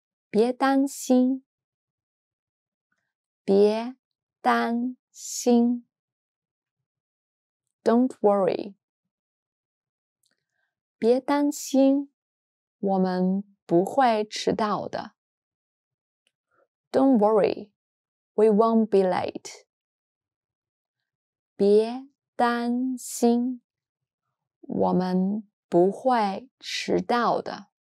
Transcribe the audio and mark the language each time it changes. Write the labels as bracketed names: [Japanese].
[Chinese] 别担心, 别担心, [English] don't worry, [Chinese] 别担心, 我们不会迟到的, [English] don't worry, we won't be late, [Chinese] 别 担心, 我们不会迟到的.